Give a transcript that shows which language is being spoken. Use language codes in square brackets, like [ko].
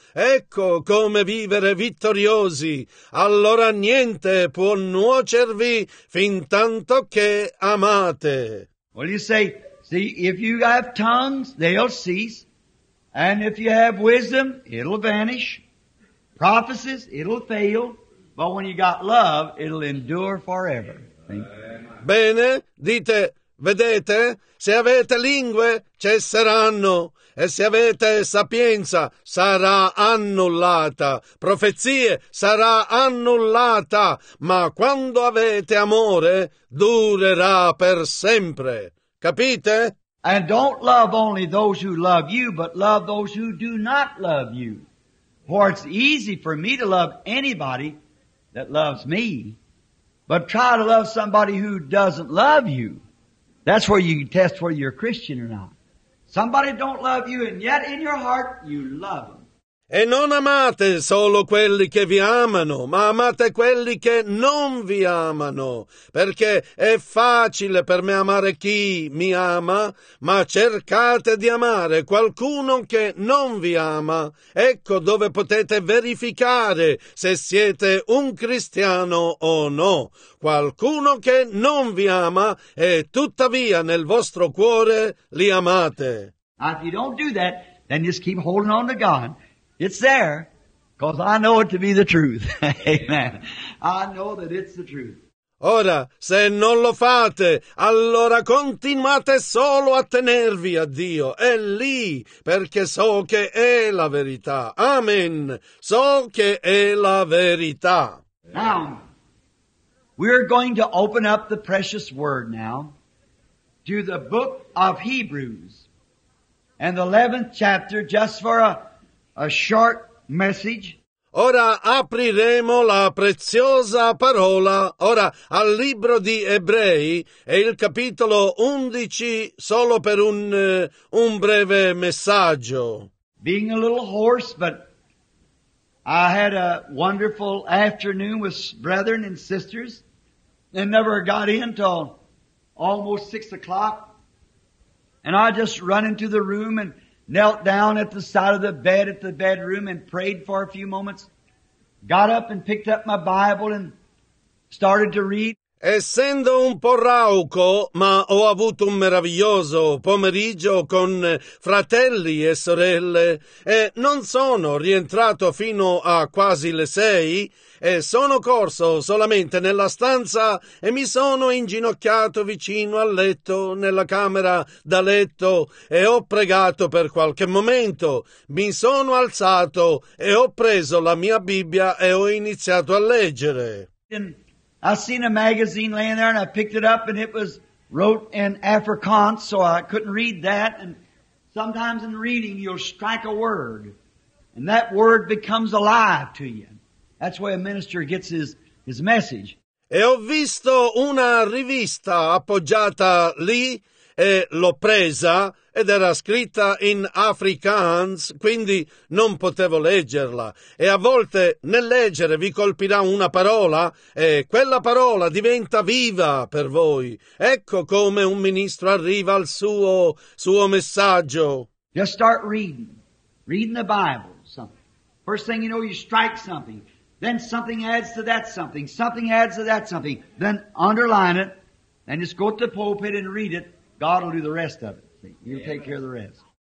[it] Ecco come vivere vittoriosi. Allora niente può nuocervi fin tanto che amate. [en] Will you say... See, if you have tongues, they'll cease. And if you have wisdom, it'll vanish. Prophecies, it'll fail. But when you got love, it'll endure forever. [it] Bene, dite, vedete, se avete lingue, cesseranno. E se avete sapienza, sarà annullata. Profezie, sarà annullata. Ma quando avete amore, durerà per sempre. Capite? [en] And don't love only those who love you, but love those who do not love you. For it's easy for me to love anybody that loves me, but try to love somebody who doesn't love you. That's where you can test whether you're a Christian or not. Somebody don't love you, and yet in your heart you love them. [it] E non amate solo quelli che vi amano, ma amate quelli che non vi amano, perché è facile per me amare chi mi ama, ma cercate di amare qualcuno che non vi ama. Ecco dove potete verificare se siete un cristiano o no. Qualcuno che non vi ama e tuttavia nel vostro cuore li amate. [en] If you don't do that, then just keep holding on to God. It's there, because I know it to be the truth. Amen. I know that it's the truth. [it] Ora, se non lo fate, allora continuate solo a tenervi a Dio. È lì, perché so che è la verità. Amen. So che è la verità. [en] Now, we're going to open up the precious word now to the book of Hebrews and the 11th chapter just for a short message. [it] Ora apriremo la preziosa parola, ora al libro di Ebrei e il capitolo 11 solo per un breve messaggio. [en] Being a little hoarse, but I had a wonderful afternoon with brethren and sisters and never got in till almost 6 o'clock. And I just run into the room and knelt down at the side of the bed at the bedroom and prayed for a few moments. Got up and picked up my Bible and started to read. [it] Essendo un po' rauco, ma ho avuto un meraviglioso pomeriggio con fratelli e sorelle, e non sono rientrato fino a quasi le 6, e sono corso solamente nella stanza e mi sono inginocchiato vicino al letto, nella camera da letto, e ho pregato per qualche momento. Mi sono alzato e ho preso la mia Bibbia e ho iniziato a leggere. [en] I seen a magazine laying there and I picked it up and it was wrote in Afrikaans, so I couldn't read that. And sometimes in reading you'll strike a word and that word becomes alive to you. That's where a minister gets his message. [it] E ho visto una rivista appoggiata lì e l'ho presa ed era scritta in Afrikaans, quindi non potevo leggerla. E a volte nel leggere vi colpirà una parola e quella parola diventa viva per voi. Ecco come un ministro arriva al suo messaggio. [en] Just start reading the Bible, something. First thing you know, you strike something. Then something adds to that something. Something adds to that something. Then underline it and just go to the pulpit and read it. God will do the rest of it. You take care of the rest.